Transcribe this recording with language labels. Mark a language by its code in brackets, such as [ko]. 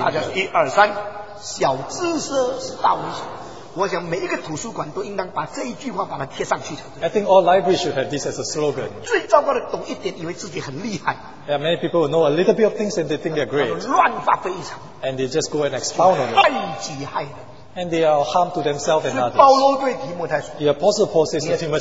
[zh] 大家说一二三，小知识是大危险。我想每一个图书馆都应当把这一句话把它贴上去。 [en] I think all libraries should have this as a slogan. [zh] 最糟糕的懂一点以为自己很厉害。 [en] Yeah, many people will know a little bit of things and they think they're great. [zh] 乱发挥一场。 [en] And they just go and expound on it. [zh] 害己害人。 [en] And they are harm to themselves and others. [zh] 是保罗对提摩太说。 [en] The apostle Paul says to Timothy,